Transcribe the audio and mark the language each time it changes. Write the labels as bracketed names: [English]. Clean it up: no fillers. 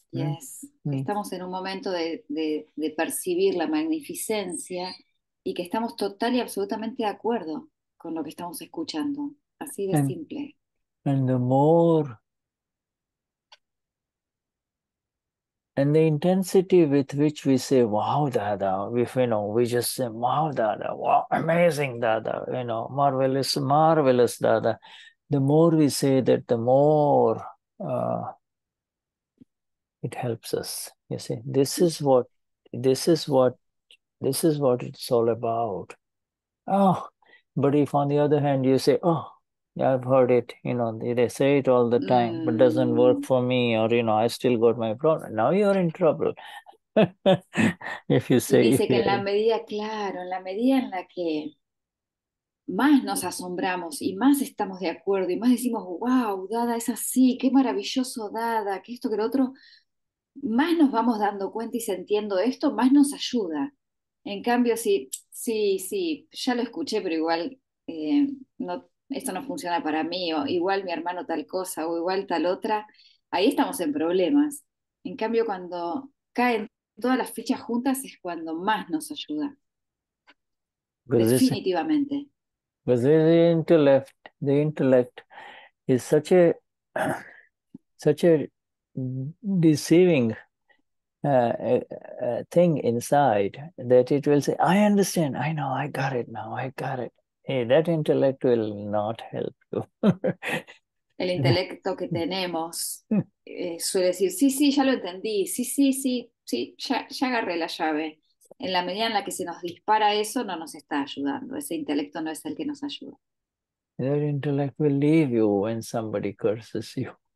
[Spanish] Yes, estamos en un momento de percibir la magnificencia y que estamos total y absolutamente de acuerdo con lo que estamos escuchando. Así de simple. [English] And the more and the intensity with which we say, wow, Dada, if, you know, we just say, wow, Dada, wow, amazing, Dada, you know, marvelous, marvelous, Dada. The more we say that, the more it helps us. You see, this is what it's all about. Oh, but if on the other hand, you say, oh, I've heard it, you know, they say it all the time, but doesn't work for me, or, you know, I still got my problem. Now you're in trouble. If you say [Spanish] it. Dice que en la medida, claro, en la medida en la que más nos asombramos y más estamos de acuerdo y más decimos, wow, Dada es así, qué maravilloso Dada, que esto que lo otro, más nos vamos dando cuenta y sintiendo esto, más nos ayuda. En cambio, sí, ya lo escuché, pero igual no. Esto no funciona para mí, o igual mi hermano tal cosa, o igual tal otra, ahí estamos en problemas. En cambio, cuando caen todas las fichas juntas es cuando más nos ayuda. Definitivamente. [English] Because the intellect is such a deceiving thing inside that it will say, I understand, I know, I got it now, I got it. Hey, that intellect will not help you. [Spanish] El intelecto que tenemos suele decir, sí, ya lo entendí, sí, ya agarré la llave. En la medida en la que se nos dispara eso, no nos está ayudando. Ese intelecto no es el que nos ayuda. [English] That intellect will leave you when somebody curses you.